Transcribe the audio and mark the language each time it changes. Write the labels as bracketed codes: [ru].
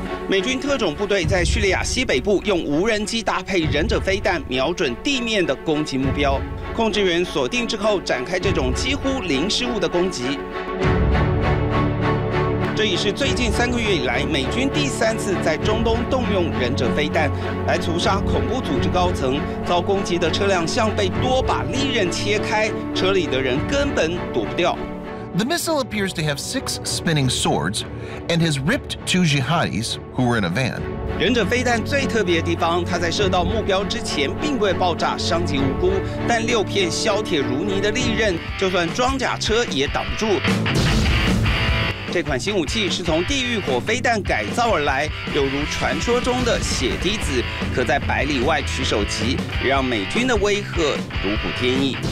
[zh] 美军特种部队在叙利亚西北部用无人机搭配忍者飞弹瞄准地面的攻击目标，控制员锁定之后展开这种几乎零失误的攻击。这已是最近3个月以来美军第3次在中东动用忍者飞弹来屠杀恐怖组织高层。遭攻击的车辆像被多把利刃切开，车里的人根本躲不掉。 [en] The missile appears to have 6 spinning swords and has ripped 2 jihadis who were in a van. [zh] 忍者飞弹最特别的地方，它在射到目标之前并未爆炸伤及无辜，但6片削铁如泥的利刃就算装甲车也挡不住。这款新武器是从地狱火飞弹改造而来，犹如传说中的血滴子，可在百里外取首级，让美军的威吓如虎添翼。